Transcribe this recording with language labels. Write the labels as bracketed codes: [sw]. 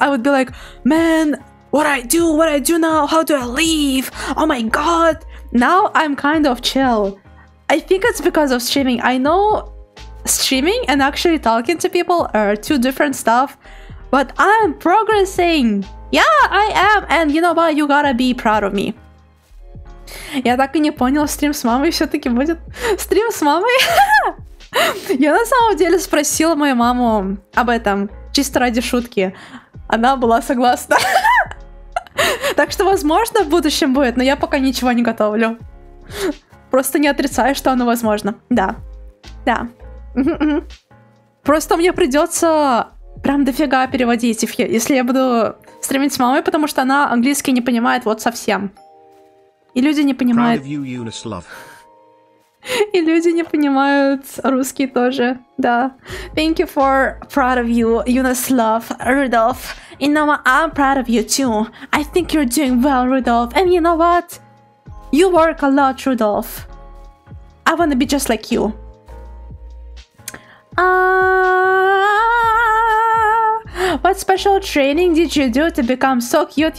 [en] I would be like, man, what I do now? How do I leave? Oh my god. Now I'm kind of chill. I think it's because of streaming. I know streaming and actually talking to people are two different stuff, but I'm progressing. Yeah, I am. And you know what? You gotta be proud of me. [ru] Я так и не понял, стрим с мамой все-таки будет? Стрим с мамой? Я на самом деле спросила мою маму об этом, чисто ради шутки. Она была согласна. Так что, возможно, в будущем будет, но я пока ничего не готовлю. Просто не отрицаю, что оно возможно. Да. Да. Просто мне придется прям дофига переводить, если я буду стримить с мамой, потому что она английский не понимает вот совсем. И люди не понимают... [en] Proud of you, Eunice, love. [ru] И люди не понимают русский тоже. Да. [en] Thank you for proud of you, Eunice, love, Rudolph. You know what? I'm proud of you too. I think you're doing well, Rudolph. And you know what? You work a lot, Rudolph. I wanna be just like you. What special training did you do to become so cute?